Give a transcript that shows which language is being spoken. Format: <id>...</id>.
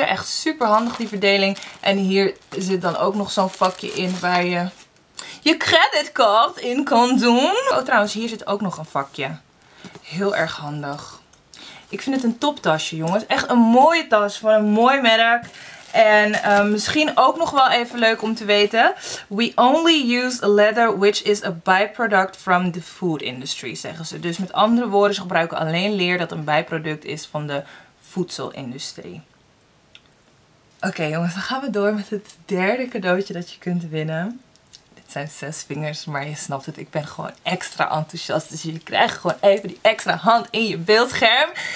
<nl>Echt super handig die verdeling. En hier zit dan ook nog zo'n vakje in waar je je creditcard in kan doen. Oh trouwens, hier zit ook nog een vakje. Heel erg handig. Ik vind het een toptasje jongens. Echt een mooie tas van een mooi merk. En misschien ook nog wel even leuk om te weten.</nl> <en>We only use leather which is a byproduct from the food industry,</en> <nl>zeggen ze. Dus met andere woorden, ze gebruiken alleen leer dat een bijproduct is van de voedselindustrie. Oké, jongens, dan gaan we door met het derde cadeautje dat je kunt winnen. Het zijn 6 vingers, maar je snapt het. Ik ben gewoon extra enthousiast. Dus jullie krijgen gewoon even die extra hand in je beeldscherm.</nl>